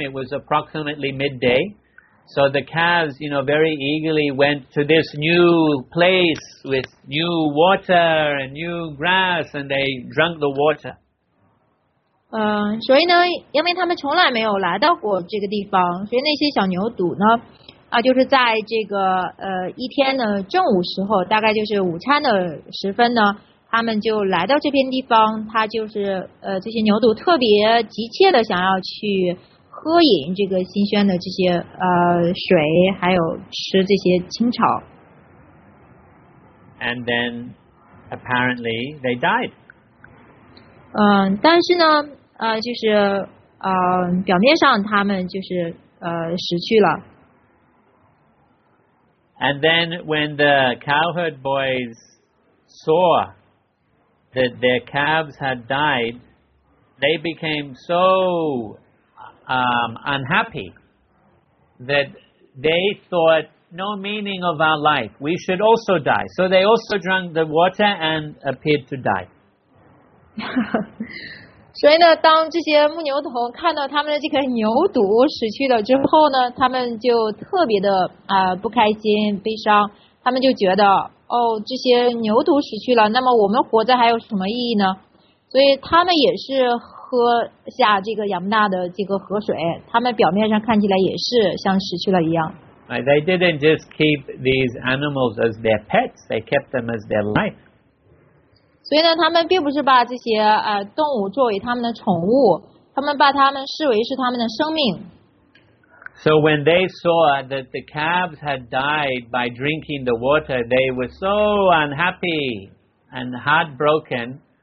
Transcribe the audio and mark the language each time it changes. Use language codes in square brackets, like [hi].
[en] It was approximately midday. So the calves, you know, very eagerly went to this new place with new water and new grass, and they drank the water. [zh] 所以呢，因为他们从来没有来到过这个地方，所以那些小牛犊呢，就是在这个一天的正午时候，大概就是午餐的时分呢，他们就来到这片地方，他就是这些牛犊特别急切的想要去喝饮这个新鲜的这些水，还有吃这些青草。 [en] And then apparently they died. [zh] 但是呢，就是表面上他们就是死去了。 [en] And then when the cowherd boys saw that their calves had died, they became so unhappy that they thought no meaning of our life. We should also die. So they also drank the water and appeared to die. [zh] 所以呢，当这些牧牛童看到他们的这个牛犊死去了之后呢，他们就特别的不开心、悲伤。他们就觉得，哦，这些牛犊死去了，那么我们活着还有什么意义呢？所以他们也是喝下这个亚木纳的这个河水，他们表面上看起来也是像死去了一样。 [en] Right? They didn't just keep these animals as their pets, they kept them as their life. [zh] 所以呢，他们并不是把这些动物作为他们的宠物，他们把他们视为是他们的生命。 [en] So when they saw that the calves had died by drinking the water, they were so unhappy and heartbroken.